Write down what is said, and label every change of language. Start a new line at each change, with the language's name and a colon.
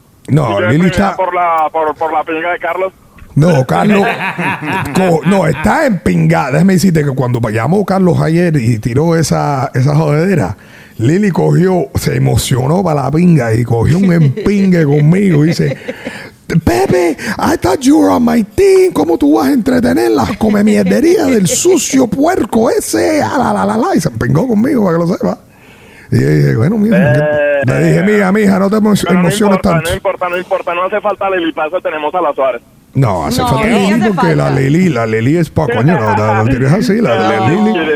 Spanish: No, si Lili está... ¿Por la pinga de Carlos? No, Carlos, no, está empingada. Déjame decirte que cuando llamó Carlos ayer y tiró esa jodedera, Lili cogió, se emocionó para la pinga y cogió un empingue conmigo. Y dice, Pepe,
English: I thought you were on my team.
Spanish: ¿Cómo tú vas a entretener las come mierderías del sucio puerco ese? Y se empingó conmigo para que lo sepa. Y dije, bueno, mira, le dije, mija, no te emociones tanto. No importa, no hace falta Lili, para eso tenemos a la Suárez. No, hace falta Lili porque la Lili es pa' coño, no, lo tienes así, la Lili.